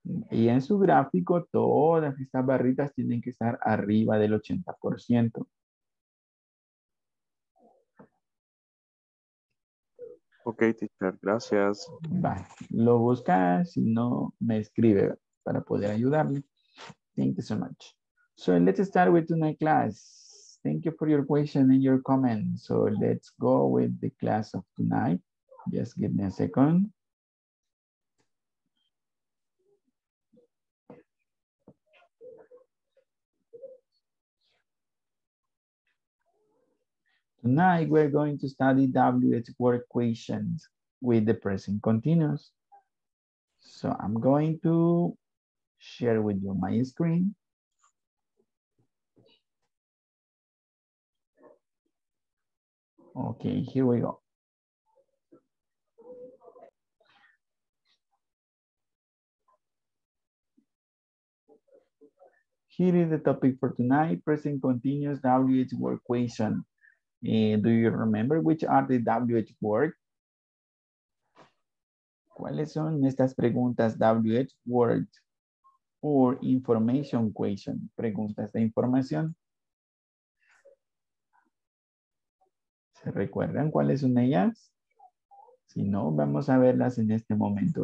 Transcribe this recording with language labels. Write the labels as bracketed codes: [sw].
[es] Y en su gráfico, todas estas barritas tienen que estar arriba del 80%. Ok, teacher, gracias. Vale, lo busca, si no, me escribe para poder ayudarle. [en] Thank you so much. So let's start with tonight's class. Thank you for your question and your comment. So let's go with the class of tonight. Just give me a second. Tonight, we're going to study WH word questions with the present continuous. So I'm going to share with you my screen. Okay, here we go. Here is the topic for tonight, present continuous WH word question. Do you remember which are the WH word? [es] ¿Cuáles son estas preguntas WH word [en] or information question? [es] Preguntas de información. ¿Se recuerdan cuáles son ellas? Si no, vamos a verlas en este momento.